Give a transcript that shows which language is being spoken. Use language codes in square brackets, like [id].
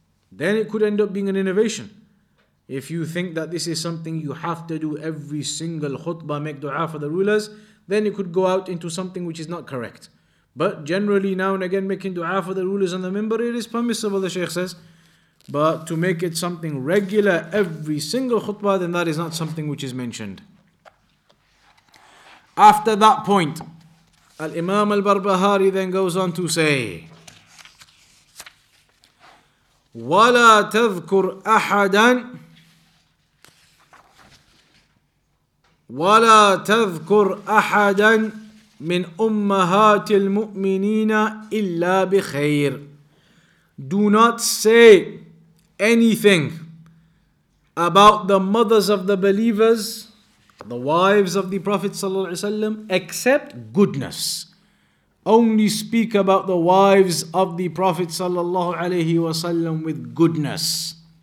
[en] Then it could end up being an innovation. If you think that this is something you have to do every single khutbah, make dua for the rulers, then it could go out into something which is not correct. But generally, now and again, making dua for the rulers on the minbar, it is permissible, the Shaykh says. But to make it something regular, every single khutbah, then that is not something which is mentioned. After that point, Al-Imam Al-Barbahari then goes on to say, [ar] وَلَا تَذْكُرْ أَحَدًا وَلَا تَذْكُرْ أَحَدًا مِنْ أُمَّهَاتِ الْمُؤْمِنِينَ إِلَّا بِخَيْرٍ. [en] Do not say anything about the mothers of the believers the wives of the Prophet ﷺ except goodness. Only speak about the wives of the Prophet ﷺ with goodness.